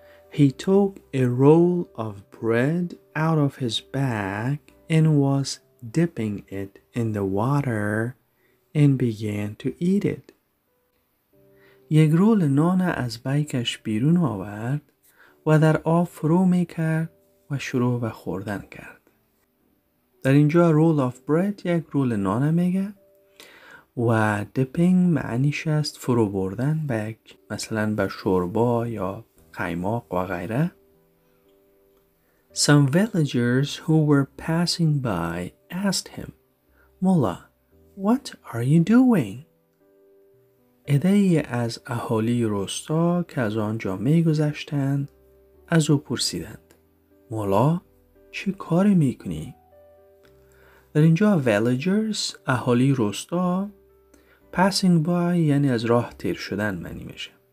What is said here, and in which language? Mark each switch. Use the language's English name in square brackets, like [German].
[English] He took a roll of bread out of his bag and was dipping it in the water and began to eat it. [Persian] یک رول نان از بیکش بیرون آورد و در آب فرو می کرد و شروع به خوردن کرد. در اینجا رول آف برید یک رول نان میگه و دیپینگ معنیش است فرو بردن به یک مثلا به شوربا یا قیماق و غیره. [English] Some villagers who were passing by asked him, Mulla, what are you doing? [Persian] ادهی از اهالی روستا که از آنجا می گذشتند از او پرسیدند. مولا چه کاری می کنی؟ در اینجا villagers اهالی روستا [English] passing by [Persian] یعنی از راه تیر شدن معنی میشه.